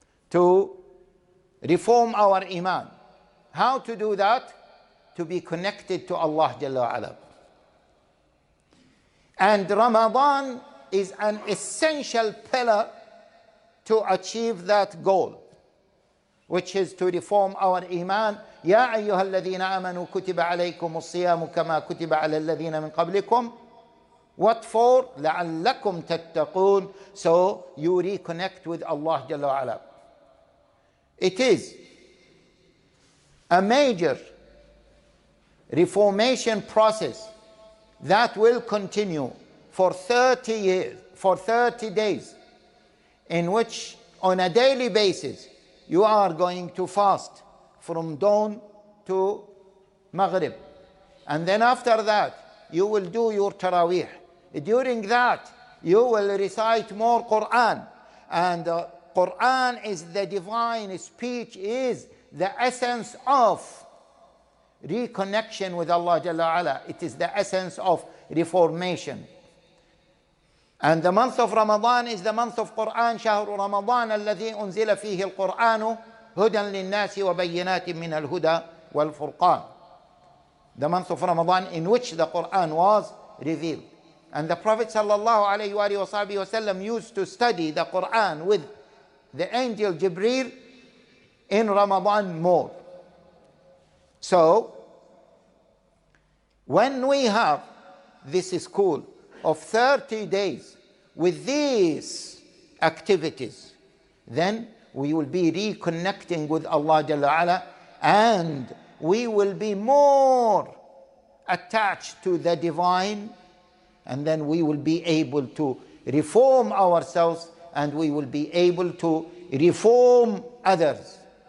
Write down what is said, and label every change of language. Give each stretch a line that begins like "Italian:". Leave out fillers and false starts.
English: To reform our iman. How to do that? To be connected to Allah Jalla wa Ala. And Ramadan is an essential pillar to achieve that goal, which is to reform our iman.
Arabic: يا أيها الذين آمنوا كتب عليكم الصيام كما كتب على الذين من قبلكم What for? لَعَلَّكُمْ تَتَّقُونَ.
English: So you reconnect with Allah Jalla wa'ala. It is a major reformation process that will continue for 30 years, for 30 days, in which on a daily basis you are going to fast from dawn to Maghrib. And then after that, you will do your Taraweeh. During that, you will recite more Quran. And the Quran is the divine speech, is the essence of reconnection with Allah Jalla Ala. It is the essence of reformation. And the month of Ramadan is the month of Quran.
Arabic: شهر رمضان الذي أنزل فيه القرآن هدى للناس وبينات من الهدى والفرقان.
English: The month of Ramadan, in which the Quran was revealed. And the Prophet sallallahu alayhi wa sahbihi wasallam used to study the Quran with the angel Jibreel in Ramadan more. So, when we have this school of 30 days with these activities, then we will be reconnecting with Allah Jalla Ala, and we will be more attached to the divine, and then we will be able to reform ourselves, and we will be able to reform others.